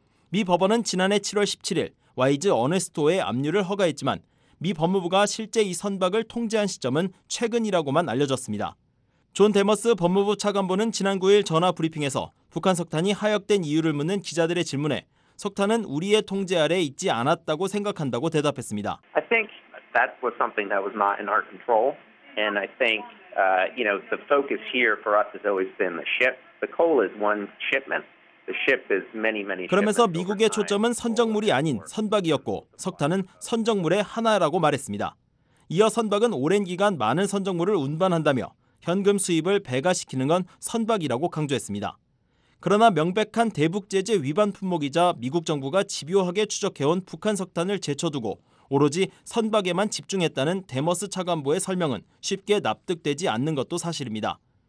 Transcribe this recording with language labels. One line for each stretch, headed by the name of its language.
Korean: 미 법원은 지난해 7월 17일 와이즈 어네스토의 압류를 허가했지만 미 법무부가 실제 이 선박을 통제한 시점은 최근이라고만 알려졌습니다. 존 데머스 법무부 차관보는 지난 9일 전화 브리핑에서 북한 석탄이 하역된 이유를 묻는 기자들의 질문에 석탄은 우리의 통제 아래 있지 않았다고 생각한다고 대답했습니다.
English: I think that was something that was not in our control. And I think, you know, the focus here for us has always been the ship. The coal is one shipment. The ship is many, many.
Korean: 그러면서 미국의 초점은 선적물이 아닌 선박이었고 석탄은 선적물의 하나라고 말했습니다. 이어 선박은 오랜 기간 많은 선적물을 운반한다며 현금 수입을 배가시키는 건 선박이라고 강조했습니다. 그러나 명백한 대북 제재 위반 품목이자 미국 정부가 집요하게 추적해온 북한 석탄을 제쳐두고 오로지 선박에만 집중했다는 데머스 차관보의 설명은 쉽게 납득되지 않는 것도 사실입니다.